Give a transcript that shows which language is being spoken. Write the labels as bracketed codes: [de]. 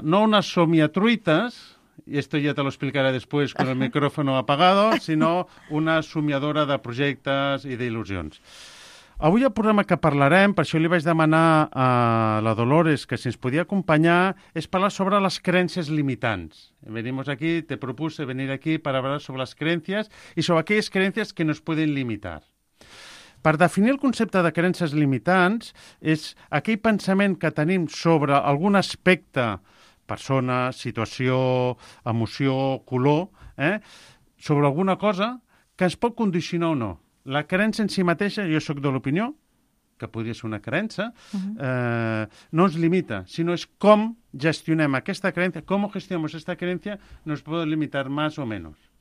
[ca] No una somiatruites, i [es] esto ya te lo explicaré después con el micrófono apagado, [ca] sinó una somiadora de projectes i d'il·lusions. Avui el programa que parlarem, per això li vaig demanar a la Dolores que si ens podia acompanyar, és parlar sobre les creences limitants. [es] Venimos aquí, te propuse venir aquí para hablar sobre las creencias y sobre aquellas creencias que nos pueden limitar. [ca] Per definir el concepte de creences limitants, és aquell pensament que tenim sobre algun aspecte, persona, situació, emoció, color, sobre alguna cosa que ens pot condicionar o no. La creença en si mateixa, jo sóc de l'opinió, que podria ser una creença, no ens limita, sinó és com gestionem aquesta creença, com gestionem aquesta creença, nos pot limitar més o menys.